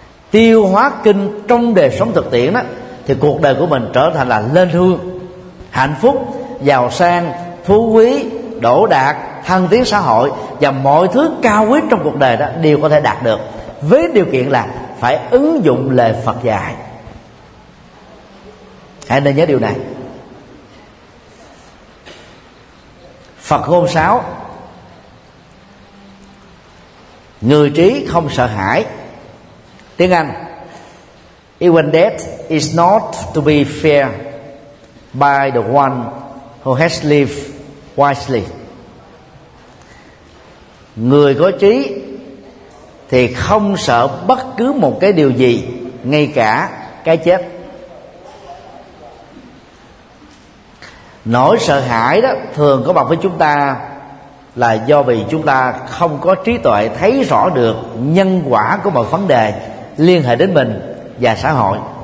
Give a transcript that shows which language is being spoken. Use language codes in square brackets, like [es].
[vi] Tiêu hóa kinh trong đời sống thực tiễn đó, thì cuộc đời của mình trở thành là lên hương, hạnh phúc, giàu sang, phú quý, đỗ đạt, thăng tiến xã hội, và mọi thứ cao quý trong cuộc đời đó đều có thể đạt được, với điều kiện là phải ứng dụng lời Phật dạy. Hãy nên nhớ điều này. Phật ngôn 6: người trí không sợ hãi. Tiếng Anh: [en] Even death is not to be feared by the one who has lived wisely. [vi] Người có trí thì không sợ bất cứ một cái điều gì, ngay cả cái chết. Nỗi sợ hãi đó thường có mặt với chúng ta là do vì chúng ta không có trí tuệ thấy rõ được nhân quả của mọi vấn đề liên hệ đến mình và xã hội.